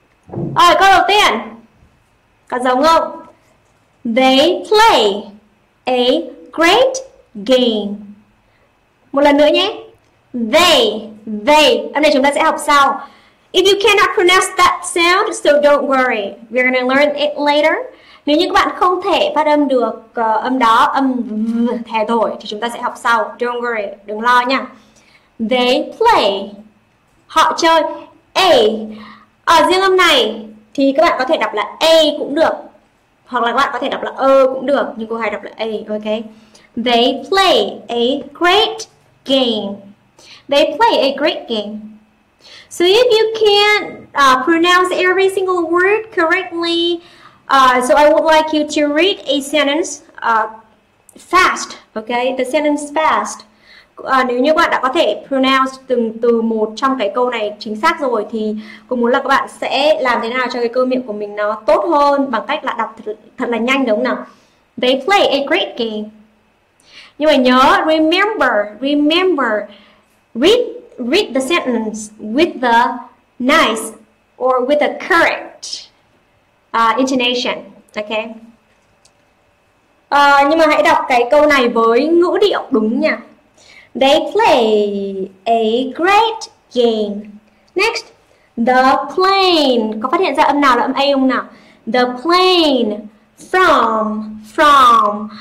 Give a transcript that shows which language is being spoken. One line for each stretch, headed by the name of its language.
Vietnamese: Rồi, câu đầu tiên. Có giống không?
English: They play a great game.
Vietnamese: Một lần nữa nhé. They. Âm này chúng ta sẽ học sau.
English: If you cannot pronounce that sound, so don't worry. We're gonna learn it later.
Vietnamese: Nếu như các bạn không thể phát âm được âm đó, âm v, thè thổi, thì chúng ta sẽ học sau.
English: Don't worry,
Vietnamese: đừng lo nha.
English: They play.
Vietnamese: Họ chơi. A. Ở riêng âm này thì các bạn có thể đọc là A cũng được. Hoặc là các bạn có thể đọc là Ơ cũng được. Nhưng cô hay đọc là A, ok?
English: They play a great game. They play a great game. So if you can't pronounce every single word correctly, so I would like you to read a sentence fast, okay? The sentence fast.
Vietnamese: Nếu như bạn đã có thể pronounce từng từ một trong cái câu này chính xác rồi thì cô muốn là các bạn sẽ làm thế nào cho cái cơ miệng của mình nó tốt hơn bằng cách là đọc thật là nhanh đúng không nào?
English: They play a great game.
Vietnamese: Nhưng mà nhớ,
English: remember, read the sentence with the nice or with the correct intonation, okay?
Vietnamese: Nhưng mà hãy đọc cái câu này với ngữ điệu đúng nha.
English: They play a great game. Next, the plane.
Vietnamese: Có phát hiện ra âm nào là âm A không nào?
English: The plane from.